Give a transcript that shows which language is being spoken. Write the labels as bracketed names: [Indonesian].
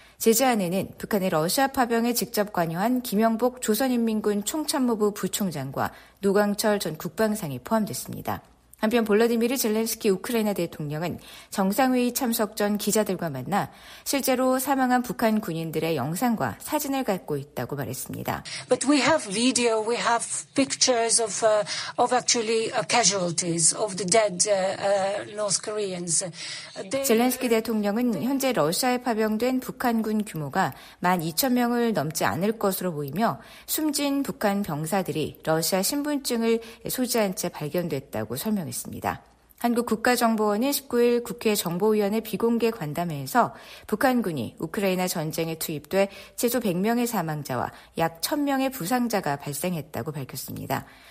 [Korean] 제재안에는 북한의 러시아 파병에 직접 관여한 김영복 조선인민군 총참모부 부총장과 노강철 전 국방상이 포함됐습니다. 한편 볼러디미르 젤렌스키 우크라이나 대통령은 정상회의 참석 전 기자들과 만나 실제로 사망한 북한 군인들의 영상과 사진을 갖고 있다고 말했습니다. [English] But we have video, we have pictures of actually casualties of the dead North Koreans. [Korean] 젤렌스키 대통령은 현재 러시아에 파병된 북한군 규모가 12,000명을 넘지 않을 것으로 보이며 숨진 북한 병사들이 러시아 신분증을 소지한 채 발견됐다고 설명했습니다. 한국 국가정보원은 19일 국회 정보위원회 비공개 관담회에서 북한군이 우크라이나 전쟁에 투입돼 최소 100명의 사망자와 약 1,000명의 부상자가 발생했다고 밝혔습니다.